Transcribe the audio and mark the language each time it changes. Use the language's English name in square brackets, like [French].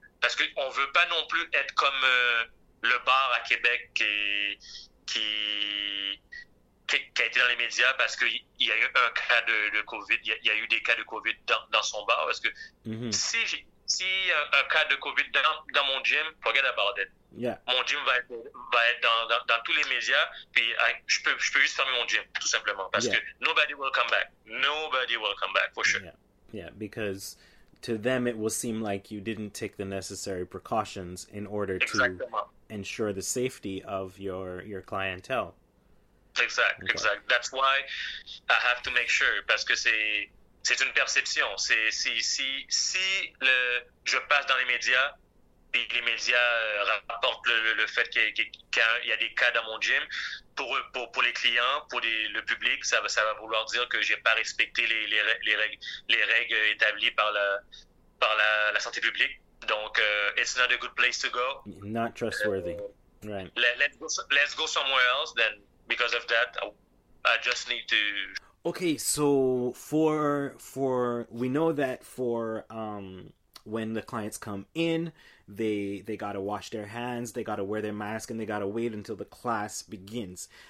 [French] Parce qu'on ne veut pas non plus être comme le bar à Québec qui a été dans les médias parce qu'il y a eu un cas de COVID, il y a eu des cas de COVID dans son bar. Parce que si un cas de COVID dans mon gym, [English] forget about it. Yeah. [French] Mon gym va être dans tous les médias, puis je peux juste fermer mon gym, tout simplement. Parce que [English] nobody will come back. Nobody will come back, for sure. Yeah, because to them it will seem like you didn't take the necessary precautions in order exactly. to ensure the safety of your clientele. Exactly. That's why I have to make sure, [French] parce que c'est une perception. C'est si je passe dans les médias, puis les médias rapportent le fait qu'il y a des cas dans mon gym, pour les clients, pour le public, ça va vouloir dire que j'ai pas respecté les règles établies par la santé publique. [English] Donc, it's not a good place to go. Not trustworthy. Let's go somewhere else then. Because of that, I just need to... Okay, so for we know that for when the clients come in, they got to wash their hands, they got to wear their mask, and they got to wait until the class begins.